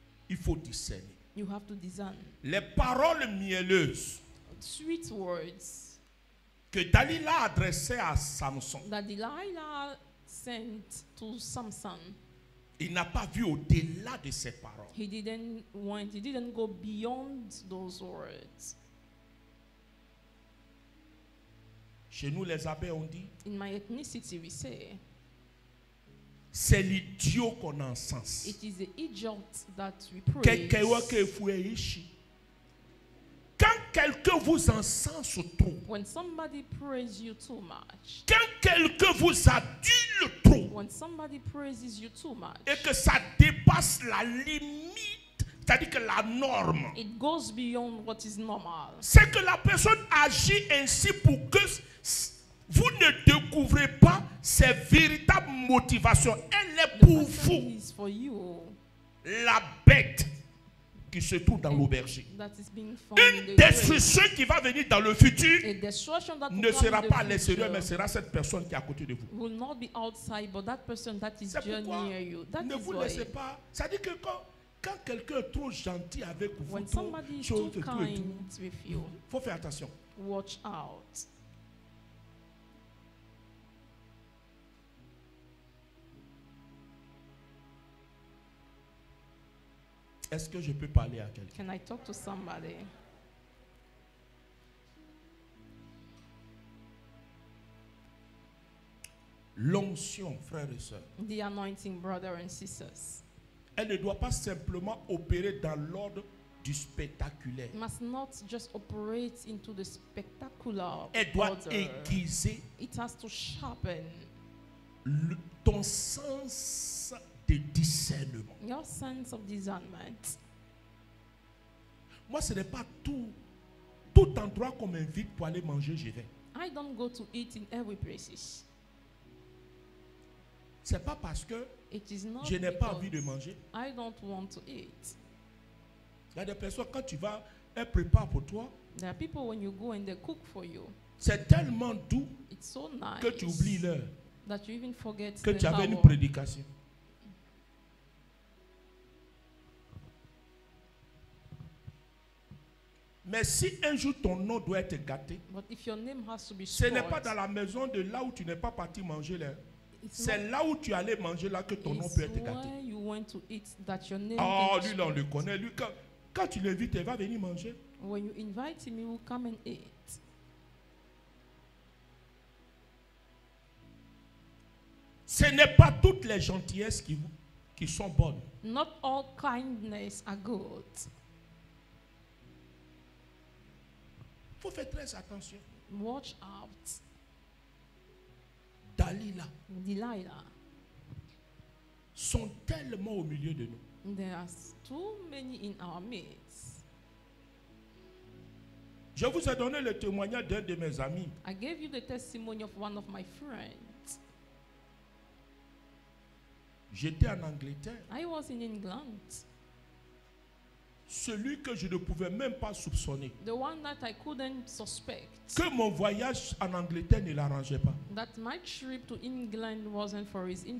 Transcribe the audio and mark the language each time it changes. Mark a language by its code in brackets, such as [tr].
[fr] Il faut discerner. [en] You have to discern. [fr] Les paroles mielleuses [en] sweet words [fr] que Dalila adressait à Samson. [en] That Delilah sent to Samson. [fr] Il n'a pas vu au-delà de ses paroles. [en] He didn't want, he didn't go beyond those words. [fr] Chez nous, les abbés, on dit [en] in my ethnicity, we say [fr] C'est l'idiot qu'on encense. [en] It is the idiot that we praise. [fr] Quand quelqu'un vous encense trop. [en] When somebody praises you too much. [fr] Quand quelqu'un vous adule trop. [en] When somebody praises you too much. [fr] Et que ça dépasse la limite, c'est-à-dire que la norme. [en] It goes beyond what is normal. [fr] C'est que la personne agit ainsi pour que vous ne découvrez pas ses véritables motivations. Elle est pour vous. [en] For you. [fr] La bête qui se trouve dans l'auberger. Une destruction qui va venir dans le futur ne sera pas à l'extérieur, mais sera cette personne qui est à côté de vous. [en] Will not be outside, but that person that is near you. That [fr] ne vous laissez pas. Ça dit que quand quelqu'un est trop gentil avec vous, [en] when [fr] trop chose [en] too kind [fr] et tout, faut faire attention. [en] Watch out. [fr] Est-ce que je peux parler à quelqu'un? [en] Can I talk to somebody? [fr] L'onction, frères et sœurs. [en] The anointing, brother and sisters. [fr] Elle ne doit pas simplement opérer dans l'ordre du spectaculaire. [en] Must not just operate into the spectacular. [fr] Elle doit aiguiser. [en] It has to sharpen. [fr] Ton sens de discernement. [en] Your sense of discernment. [fr] Moi, ce n'est pas tout endroit qu'on m'invite pour aller manger, je vais. [en] I don't go to eat in every places. [fr] C'est pas parce que je n'ai pas envie de manger. [en] I don't want to eat. [fr] Il y a des personnes quand tu vas, elles préparent pour toi. [en] There are people when you go and they cook for you. [fr] C'est tellement doux. [en] It's so nice [fr] que tu oublies l'heure. [en] That you even forget [fr] que [en] the [fr] tu avais [en] hour. [fr] Une prédication. Mais si un jour ton nom doit être gâté, [en] but if your name has to be [fr] ce n'est pas dans la maison de là où tu n'es pas parti manger là. C'est là où tu allais manger là que ton nom peut être gâté. [en] You went to eat that your name [fr] oh, lui là, on le connaît. Lui, quand tu l'invites, il va venir manger. [en] When you invite him, he will come and eat. [fr] Ce n'est pas toutes les gentillesses qui sont bonnes. [en] Not all kindness are good. [fr] Faut faire très attention. [en] Watch out. [fr] Delilah. Sont tellement au milieu de nous. [en] There are too many in our midst. [fr] Je vous ai donné le témoignage d'un de mes amis. [en] I gave you the testimony of one of my friends. [fr] J'étais en Angleterre. [en] I was in England. [fr] Celui que je ne pouvais même pas soupçonner. [en] The one that I couldn't suspect. [fr] Que mon voyage en Angleterre ne l'arrangeait pas. [en] That my trip to England wasn't for his interest.